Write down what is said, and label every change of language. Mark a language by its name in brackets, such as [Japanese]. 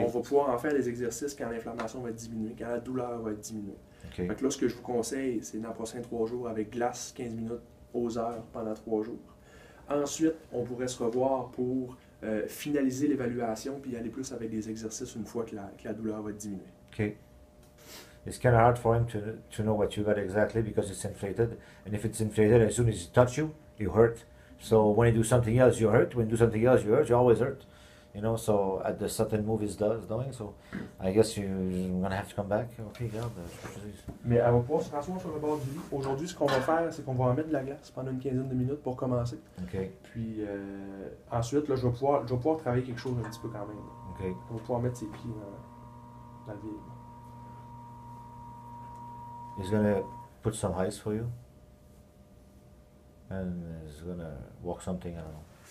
[French] On va pouvoir en faire des exercices quand l'inflammation va être diminuée, quand la douleur va être diminuée. Okay. Fait que là, ce que je vous conseille, c'est dans les prochains 3 jours avec glace, 15 minutes aux heures pendant 3 jours. Ensuite, on pourrait se revoir pour finaliser l'évaluation puis aller plus avec des exercices une fois que la douleur va être diminuée. OK. [English] It's kind of hard for him to know what you got exactly because it's inflated. And if it's inflated, as soon as it touches you, you hurt. So when you do something else, you hurt. When you do something else, you hurt. You always hurt. You know, so at the certain move it's doing. So I guess you're going to have to come back. Okay, God. [French] Mais on va pouvoir se rasseoir sur le bord du lit. Aujourd'hui, ce qu'on va faire, c'est qu'on va en mettre de la glace pendant une quinzaine de minutes pour commencer. Okay. Puis ensuite, là, je vais pouvoir travailler quelque chose un petit peu quand même. Okay. On va pouvoir mettre ses pieds dans le vide. [English] He's gonna put some ice for you, and he's gonna work something. I don't know.